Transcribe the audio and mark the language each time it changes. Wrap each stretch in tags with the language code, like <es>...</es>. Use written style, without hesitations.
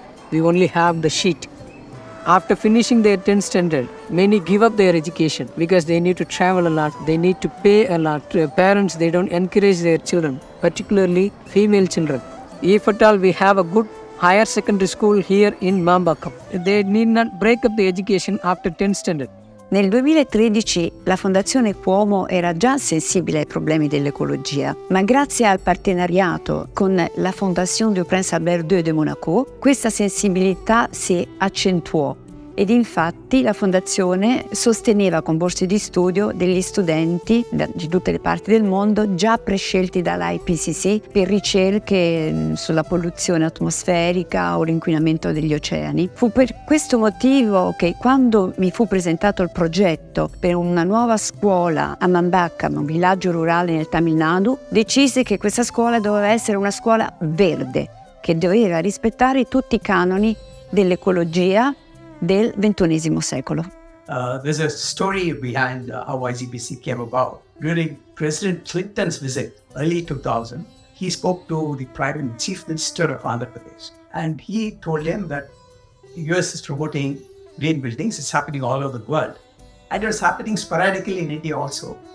<en>We only have the sheet. After finishing their 10th standard, many give up their education because they need to travel a lot, they need to pay a lot. Their parents, they don't encourage their children, particularly female children. If at all we have a good higher secondary school here in Mambakkam, they need not break up the education after 10th standard.</en> <it>Nel 2013 la Fondazione Cuomo era già sensibile ai problemi dell'ecologia, ma grazie al partenariato con la Fondazione du Prince Albert II de Monaco, questa sensibilità si accentuò ed infatti la Fondazione sosteneva con borse di studio degli studenti di tutte le parti del mondo già prescelti dall'IPCC per ricerche sulla polluzione atmosferica o l'inquinamento degli oceani. Fu per questo motivo che quando mi fu presentato il progetto per una nuova scuola a Mambakkam, un villaggio rurale nel Tamil Nadu, decisi che questa scuola doveva essere una scuola verde, che doveva rispettare tutti i canoni dell'ecologia del ventunesimo secolo.</it> <en>There's a story behind how IGBC came about. During President Clinton's visit, early 2000, he spoke to the Prime and Chief Minister of Andhra Pradesh, and he told him that the US is promoting green buildings. It's happening all over the world. And it was happening sporadically in India also.</en>